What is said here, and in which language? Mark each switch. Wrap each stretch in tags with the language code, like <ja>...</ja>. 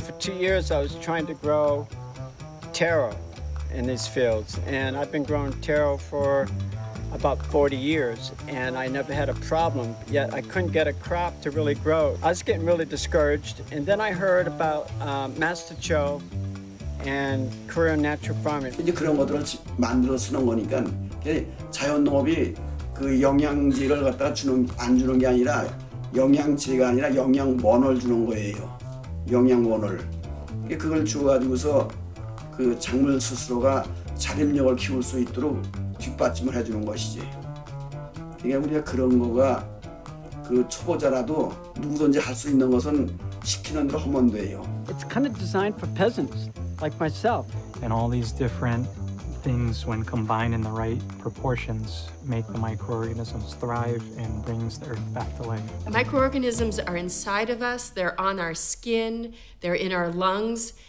<en>For 2 years, I was trying to grow taro in these fields, and I've been growing taro for about 40 years, and I never had a problem, yet I couldn't get a crop to really grow. I was getting really discouraged, and then I heard about Master Cho and Korean natural farming.</en> <ko>이제 그런 것들을 만들어 쓰는 거니까 자연 농업이 그 영양제를 갖다가 주는 안 주는 게 아니라 영양제가 아니라 영양원을 주는 거예요. 영양원을 그걸 주어가지고서 그 작물 스스로가 자립력을 키울 수 있도록 뒷받침을 해주는 것이지. 그러니까 우리가 그런 거가 그 초보자라도 누구든지 할 수 있는 것은 시키는 대로 하면 돼요.</ko> <en>It's kind of designed for peasants like myself. And all these different things, when combined in the right proportions, make the microorganisms thrive and brings the earth back to life. The microorganisms are inside of us, they're on our skin, they're in our lungs.</en>